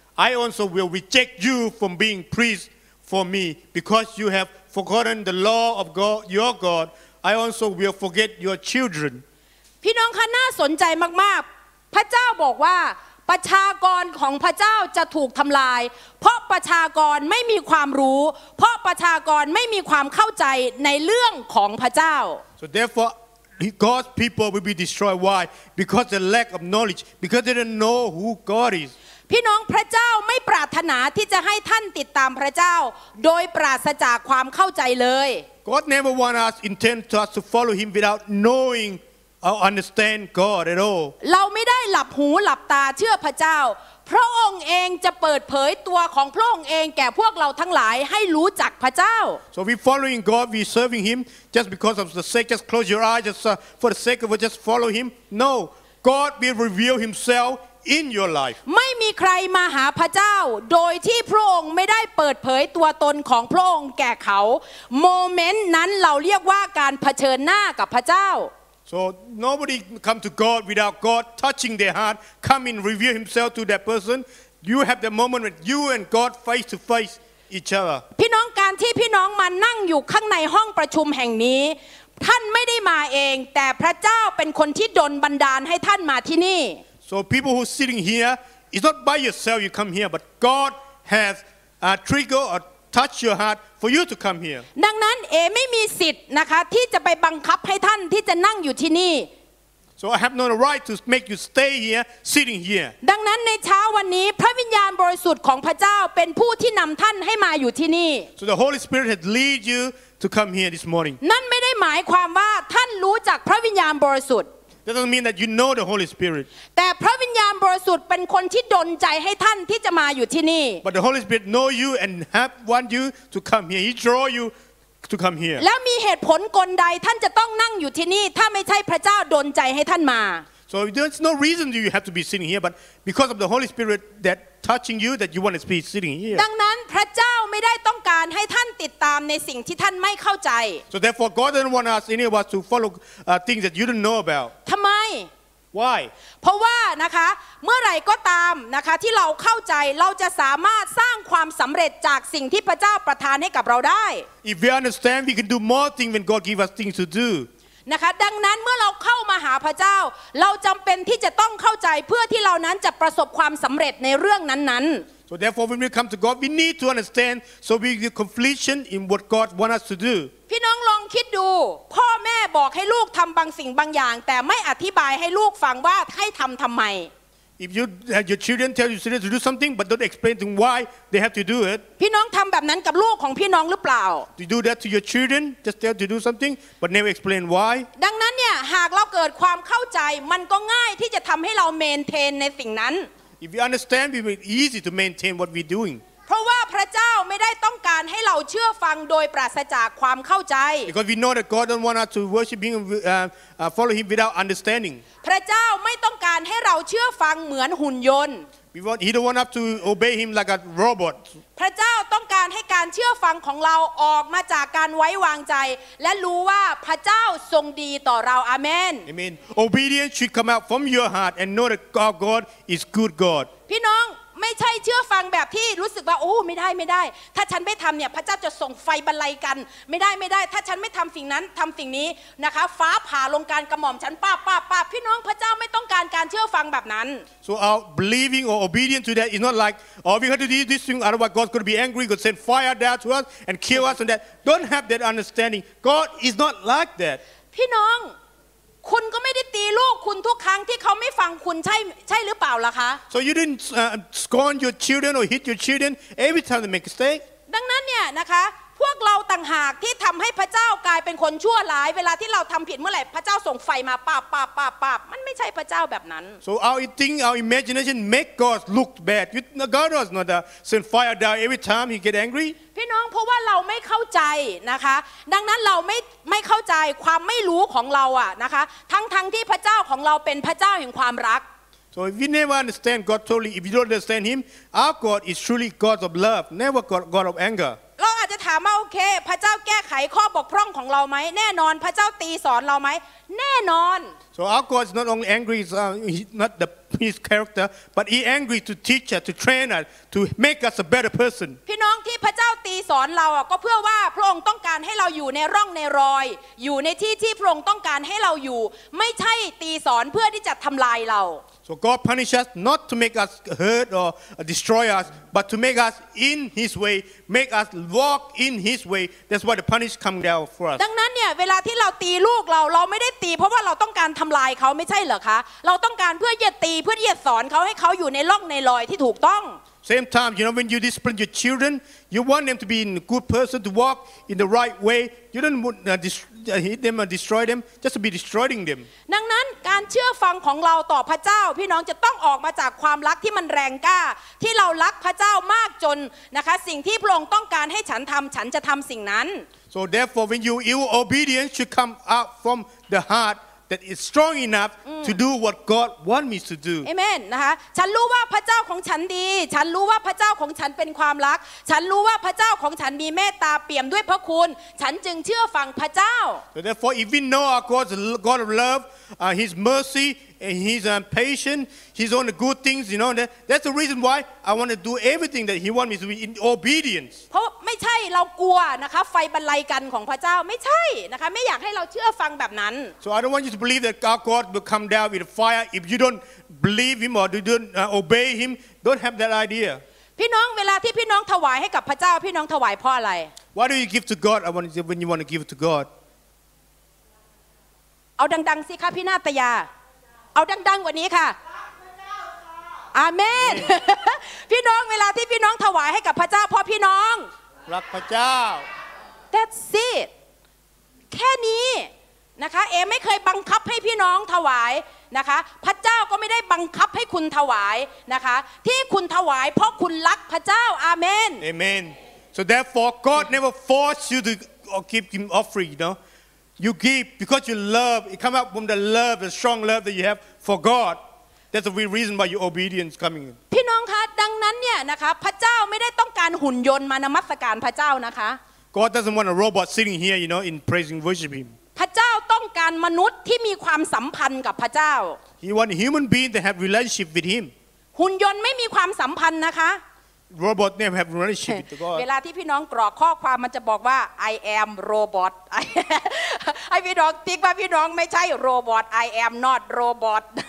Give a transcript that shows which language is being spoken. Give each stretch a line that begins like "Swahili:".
English: I also will reject you from being priests for me because you have forgotten the law of God, your God. I also will forget your children.
Thai: พี่น้องคะน่าสนใจมากๆพระเจ้าบอกว่าประชากรของพระเจ้าจะถูกทำลายเพราะประชากรไม่มีความรู้เพราะประชากรไม่มีความเข้าใจในเรื่องของพระเจ้า
English: So therefore,God's people will be destroyed. Why? Because the lack of knowledge. Because they don't know who God is.
Thai: พี่น้องพระเจ้าไม่ปรารถนาที่จะให้ท่านติดตามพระเจ้าโดยปราศจากความเข้าใจเลย
English: God never want us intend to us to follow him without knowing or understand God at all.
Thai: เราไม่ได้หลับหูหลับตาเชื่อพระเจ้าพระองค์เองจะเปิดเผยตัวของพระองค์เองแก่พวกเราทั้งหลายให้รู้จักพระเจ้า
English: So we following God we serving him just because of the sake just close your eyes just for the sake of it, just follow him No God will reveal himself in your life
Thai: ไม่มีใครมาหาพระเจ้าโดยที่พระองค์ไม่ได้เปิดเผยตัวตนของพระองค์แก่เขาโมเมนต์นั้นเราเรียกว่าการเผชิญหน้ากับพระเจ้า
English: So nobody come to God without God touching their heart, come and reveal himself to that person. You have the moment when you and God face to face each other.
Thai: พี่น้องการที่พี่น้องมานั่งอยู่ข้างในห้องประชุมแห่งนี้ท่านไม่ได้มาเองแต่พระเจ้าเป็นคนที่ดลบันดาลให้ท่านมาที่นี่
English: So people who sitting here, it's not by yourself you come here, but God has triggered or touched your heart. For you to come here.
Thai: ดังนั้นเอไม่มีสิทธิ์นะคะที่จะไปบังคับให้ท่านที่จะนั่งอยู่ที่นี่
English: So I have no right to make you stay here sitting here.
Thai: ดังนั้นในเช้าวันนี้พระวิญญาณบริสุทธิ์ของพระเจ้าเป็นผู้ที่นำท่านให้มาอยู่ที่นี่
English: So the Holy Spirit has led you to come here this morning.
Thai: นั่นไม่ได้หมายความว่าท่านรู้จักพระวิญญาณบริสุทธิ์
English: That doesn't mean that you know the Holy Spirit.
Thai: แต่พระวิญญาณบริสุทธิ์เป็นคนที่ดลใจให้ท่านที่จะมาอยู่ที่นี่
English: But the Holy Spirit know you and have want you to come here. He draw you to come here.
Thai: แล้วมีเหตุผลกลใดท่านจะต้องนั่งอยู่ที่นี่ถ้าไม่ใช่พระเจ้าดลใจให้ท่านมา
English: So there's no reason you have to be sitting here, but because of the Holy Spirit that touching you, that you want to be sitting here.
Thai: ดังนั้นพระเจ้าไม่ได้ต้องการให้ท่านติดตามในสิ่งที่ท่านไม่เข้าใจ
English: So therefore, God doesn't want us, any of us, to follow things that you don't know about.
Thai: ทำไม
English: Why?
Thai: เพราะว่านะคะเมื่อไหร่ก็ตามนะคะที่เราเข้าใจเราจะสามารถสร้างความสำเร็จจากสิ่งที่พระเจ้าประทานให้กับเราได้
English: If we understand, we can do more things when God gives us things to do.
Thai: นะคะดังนั้นเมื่อเราเข้ามาหาพระเจ้าเราจำเป็นที่จะต้องเข้าใจเพื่อที่เรานั้นจะประสบความสำเร็จในเรื่องนั้น
English: ๆ So therefore when we come to God we need to understand so we get completion in what God want us to do
Thai: พี่น้องลองคิดดูพ่อแม่บอกให้ลูกทำบางสิ่งบางอย่างแต่ไม่อธิบายให้ลูกฟังว่าให้ทำทำไม
English: If you have your children tell you to do something but don't explain to them why they have to do it
Thai: พี่น้องทำแบบนั้นกับลูกของพี่น้องหรือเปล่า
English: Do you do that to your children just tell them to do something but never explain why
Thai: ดังนั้นเนี่ยหากเราเกิดความเข้าใจมันก็ง่ายที่จะทำให้เราเมนเทนในสิ่งนั้น
English: If you understand it will be easy to maintain what we're doing
Thai: เพราะว่าพระเจ้าไม่ได้ต้องการให้เราเชื่อฟังโดยปราศจากความเข้าใจ
English: Because we know that God doesn't want us to worship him follow him without understanding
Thai: พระเจ้าไม่ต้องการให้เราเชื่อฟังเหมือนหุ่นยนต์
English: He don't want us to obey him like a robot
Thai: พระเจ้าต้องการให้การเชื่อฟังของเราออกมาจากการไว้วางใจและรู้ว่าพระเจ้าทรงดีต่อเราอาเมน
English: Amen Obedience should come out from your heart and know that our God is good God
Thai: พี่น้องไม่ใช่เชื่อฟังแบบที่รู้สึกว่าโอ้ไม่ได้ไม่ได้ถ้าฉันไม่ทำเนี่ยพระเจ้าจะส่งไฟบรรลัยกันไม่ได้ไม่ได้ถ้าฉันไม่ทำสิ่งนั้นทำสิ่งนี้นะคะฟ้าผ่าลงการกระหม่อมฉันป้าป้าป้าพี่น้องพระเจ้าไม่ต้องการการเชื่อฟังแบบนั้น
English: So our believing or obedience to that is not like oh we have to do this thing otherwise God's going to be angry God send fire down to us and kill us and that don't have that understanding God is not like that
Thai: พี่น้องคุณก็ไม่ได้ตีลูกคุณทุกครั้งที่เขาไม่ฟังคุณใช่หรือเปล่าล่ะคะ
English: So you didn't scorn your children or hit your children every time they make a mistake
Thai: ดังนั้นเนี่ยนะคะพวกเราต่างหากที่ทำให้พระเจ้ากลายเป็นคนชั่วร้ายเวลาที่เราทำผิดเมื่อไหร่พระเจ้าส่งไฟมาป้าป้าป้าป้ามันไม่ใช่พระเจ้าแบบนั้น
English: So our thing our imagination make God look bad God was not a send fire down every time he get angry
Thai: พี่น้องเพราะว่าเราไม่เข้าใจนะคะดังนั้นเราไม่เข้าใจความไม่รู้ของเราอ่ะนะคะทั้งที่พระเจ้าของเราเป็นพระเจ้าแห่งความรัก
English: So if you never understand God totally if you don't understand him our God is truly God of love never God of anger
Thai: เราอาจจะถามว่าโอเคพระเจ้าแก้ไขข้อบกพร่องของเราไหมแน่นอนพระเจ้าตีสอนเราไหมแน่นอน
English: So our God is not only angry he's not the his character but he angry to teach us to train us to make us a better person
Thai: พี่น้องที่พระเจ้าตีสอนเราก็เพื่อว่าพระองค์ต้องการให้เราอยู่ในร่องในรอยอยู่ในที่ที่พระองค์ต้องการให้เราอยู่ไม่ใช่ตีสอนเพื่อที่จะทำลายเรา
English: So God punish us not to make us hurt or destroy us but to make us in his wayMake us walk in His way. That's why the punish come down for us.
Thai: ดังนั้นเนี่ยเวลาที่เราตีลูกเราไม่ได้ตีเพราะว่าเราต้องการทำลายเขาไม่ใช่เหรอคะเราต้องการเพื่อจะตีเพื่อจะสอนเขาให้เขาอยู่ในร่องในรอยที่ถูกต้อง
English: Same time, you know, when you discipline your children, you want them to be in a good person to walk in the right way. You don't want hit them or destroy them. Just to be destroying them.
Thai: ดังนั้นการเชื่อฟังของเราต่อพระเจ้าพี่น้องจะต้องออกมาจากความรักที่มันแรงกล้าที่เรารักพระเจ้ามากจนนะคะสิ่งที่พระองค์ต้องการให้ฉันทำฉันจะทำสิ่งนั้น
English: So therefore, when you obedience should come out from the heart. That is strong enough to do what God wants me to do. Amen.
Thai: นะคะ ฉันรู้ว่าพระเจ้าของฉันดี ฉันรู้ว่าพระเจ้าของฉันเป็นความรัก ฉันรู้ว่าพระเจ้าของฉันมีเมตตาเปี่ยมด้วยพระคุณ ฉันจึงเชื่อฟังพระเจ้า
English: So therefore, if we know our God, God of love, His mercy, and His patience, He's on the good things, you know, that's the reason why I want to do everything that He wants me to be in obedience.
Thai: เพราะไม่ใช่เรากลัวนะคะไฟบรรลัยกันของพระเจ้าไม่ใช่นะคะไม่อยากให้เราเชื่อฟังแบบนั้น
English: So I don't want you to believe that our God will come down with fire if you don't believe Him or you don't obey Him. Don't have that idea.
Thai: พี่น้องเวลาที่พี่น้องถวายให้กับพระเจ้าพี่น้องถวายเพราะอะไร
English: Why do you give to God? I want to when you want to give to God.
Thai: เอาดังๆสิคะพี่นาตยา เอาดังๆกว่านี้ค่ะ รักพระเจ้าค่ อาเมน พี่น้องเวลาที่พี่น้องถวายให้กับพระเจ้าพ่อพี่น้อง รักพระเจ้า
English: That's it
Thai: แค่นี้นะคะเอไม่เคยบังคับให้พี่น้องถวายนะคะพระเจ้าก็ไม่ได้บังคับให้คุณถวายนะคะที่คุณถวายเพราะคุณรักพระเจ้าอาเมน
English: อาเมน So therefore God never force you to give him offering you knowYou give because you love. It comes out from the love, the strong love that you have for God. That's the real reason why your obedience coming in.
Thai: พี่น้องคะดังนั้นเนี่ยนะคะพระเจ้าไม่ได้ต้องการหุ่นยนต์มานมัสการพระเจ้านะคะ
English: God doesn't want a robot sitting here, you know, in praising worship Him.
Thai: พระเจ้าต้องการมนุษย์ที่มีความสัมพันธ์กับพระเจ้า
English: He want human being to have relationship with Him.
Thai: หุ่นยนต์ไม่มีความสัมพันธ์นะคะ
English: robot name have relationship with God
Thai: เวลาที่พี่น้องกรอกข้อความมันจะบอกว่า
English: I am robot
Thai: ให้พี่น้องติ๊กว่าพี่น้องไม่ใช่ robot
English: I am not robot